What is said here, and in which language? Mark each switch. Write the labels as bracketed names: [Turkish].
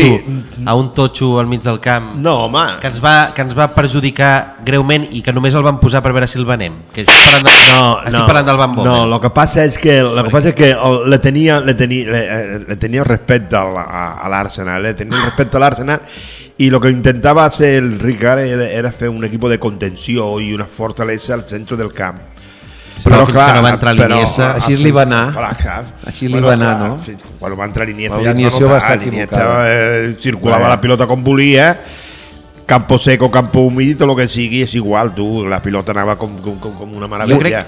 [Catalan] sí, a un totxo al mig del camp. No, home. Que ens va perjudicar greument i que només el van posar per veure si el venem. Que estic parlant del, del Van Bommel. No, el que passa és que, le tenia respecte a l'Arsenal. Le tenia respecte a l'Arsenal. [Spanish] Y lo que intentaba hacer el Ricard era hacer un equipo de contención y una fortaleza al centro del campo. [Catalan] Sí, però fins clar, que no va entrar l'Iniesta, així li va anar. Així li va anar, no? Quan va entrar l'Iniesta, l'Iniesta va estar equivocada. Circulava la pilota com volia, [Spanish] campo seco, [Catalan] campo humit, lo que sigui, és igual, tu, la pilota anava com una meravella.